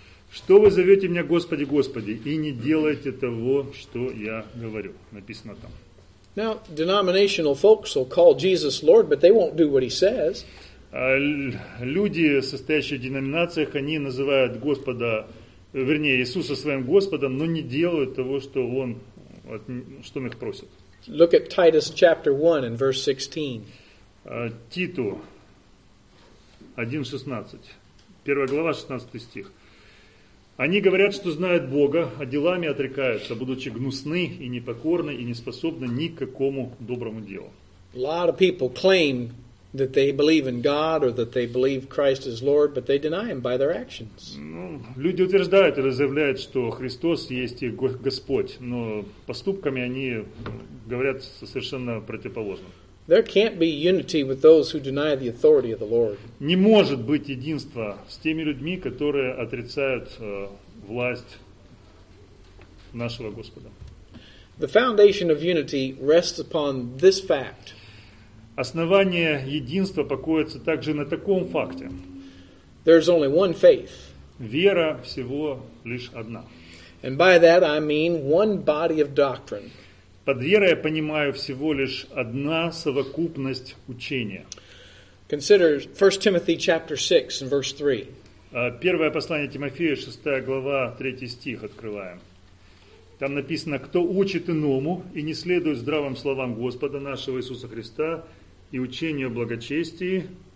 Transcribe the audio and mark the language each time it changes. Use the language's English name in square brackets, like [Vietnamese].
[Russian] Что вы зовете меня Господи, Господи, и не делаете того, что я говорю? Написано там. [English] Now, denominational folks will call Jesus Lord, but they won't do what he says. [Russian] Люди, состоящие в деноминациях, они называют Господа, вернее, Иисуса своим Господом, но не делают того, что он, что он их просит. [English] Look at Titus chapter 1 and verse 16. [Russian] Титу 1:16. Первая глава, 16 стих. Они говорят, что знают Бога, а делами отрекаются, будучи гнусны и непокорны и не способны ни к какому доброму делу. [English] A lot of people claim that they believe in God or that they believe Christ is Lord, but they deny him by their actions. [Russian] Ну, люди утверждают или заявляют, что Христос есть Господь, но поступками они говорят совершенно противоположно. [English] There can't be unity with those who deny the authority of the Lord. [Russian] Не может быть единства с теми людьми, которые отрицают власть нашего Господа. [English] The foundation of unity rests upon this fact. [Russian] Основание единства покоится также на таком факте. [English] There's only one faith. [Russian] Вера всего лишь одна. [English] And by that I mean one body of doctrine. [Russian] Под верой я понимаю всего лишь одна совокупность учения. [English] Consider 1 Timothy chapter 6 and verse 3. [Russian] Первое послание Тимофея, 6 глава, 3 стих открываем. Там написано, кто учит иному и не следует здравым словам Господа нашего Иисуса Христа и учению о благочестии.